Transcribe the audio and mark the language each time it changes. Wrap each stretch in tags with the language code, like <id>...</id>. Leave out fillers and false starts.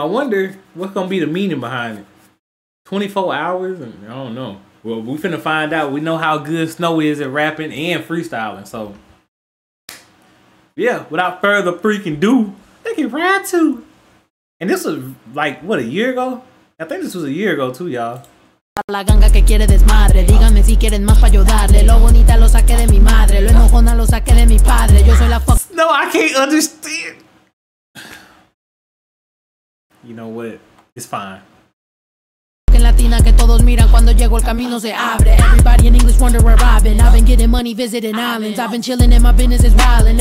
<en>I wonder what's going to be the meaning behind it. 24 hours? And I don't know. Well, we finna find out. We know how good Snow is at rapping and freestyling. So, yeah, without further freaking do, they can ride to. And this was, like, what, a year ago? I think this was a year ago, too, y'all.</en> <es>La ganga que quiere desmadre, dígame si quieren más pa ayudarle. Lo bonita lo saqué de mi madre, lo enojona lo saqué de mi padre. Yo soy la fuck.</es> <en>No, I can't understand. You know what? It's fine.</en> <es>Que todos miran cuando llego el camino se abre.</es> <en>Everybody in English wonder where I've been. I've been getting money visiting islands. I've been chilling and my business is wildin'.</en>